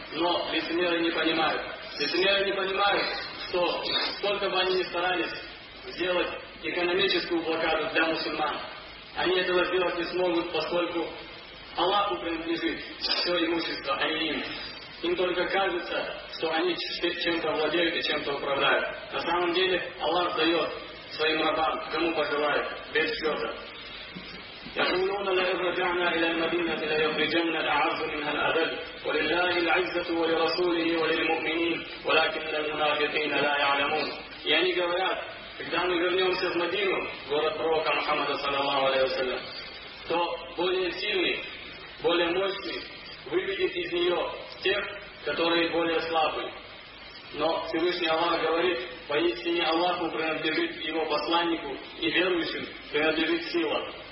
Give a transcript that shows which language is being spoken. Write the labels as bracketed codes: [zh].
[ru] Но лицемеры не понимают. Лицемеры не понимают, что сколько бы они ни старались сделать экономическую блокаду для мусульман, они этого сделать не смогут, поскольку Аллаху принадлежит все имущество, а не им. Им только кажется, что они чем-то владеют и чем-то управляют. На самом деле Аллах дает своим рабам, кому пожелает, без счета. [ar] يقولون لا رجعنا إلى المدينة لا يخرجن الأعز منها الأذل ولله العزة ولرسوله وللمؤمنين ولكن المنافقين لا يعلمون. [ru] يعني говорят: когда мы вернемся в Мадину, город пророка Мухаммада, саллаллаху алейхи ва саллям, то более сильный, более мощный выведет из нее тех, которые более слабые. Но Всевышний Аллах говорит: поистине Аллаху принадлежит, его посланнику и верующим принадлежит сила.